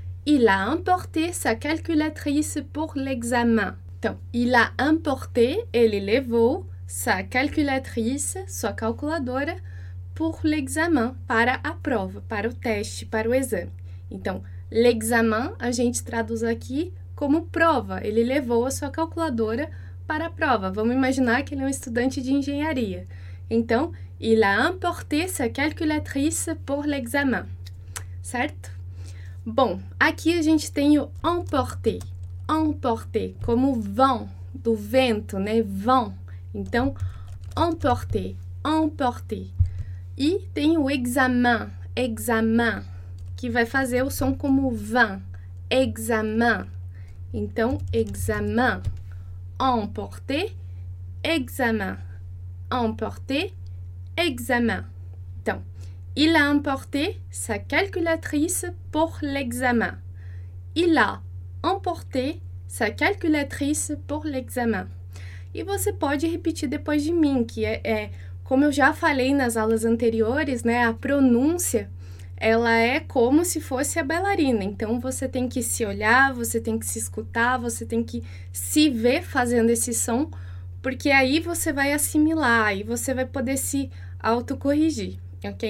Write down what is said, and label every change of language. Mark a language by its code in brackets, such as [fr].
[fr] Il a emporté sa calculatrice pour l'examen. [pt] Então, [fr] il a emporté, [pt] ele levou [fr] sa calculatrice, [pt] sua calculadora, [fr] pour l'examen, [pt] para a prova, para o teste, para o exame. Então, l'examen, a gente traduz aqui como prova, ele levou a sua calculadora para a prova. Vamos imaginar que ele é um estudante de engenharia. Então, [fr] Il a emporté sa calculatrice pour l'examen. [pt] Certo? Bom, aqui a gente tem o emporter. Emporter, como vent, do vento, né? Vent. Então, emporter, emporter. E tem o examen, examen, que vai fazer o som como vent. Examen. Então, examen. Emporter, examen. Emporter, examen. Então, [fr] il a emporté sa calculatrice pour l'examen. Il a emporté sa calculatrice pour l'examen. [pt] E você pode repetir depois de mim, que é como eu já falei nas aulas anteriores, né? A pronúncia, ela é como se fosse a bailarina. Então, você tem que se olhar, você tem que se escutar, você tem que se ver fazendo esse som, porque aí você vai assimilar e você vai poder se autocorrigir, ok?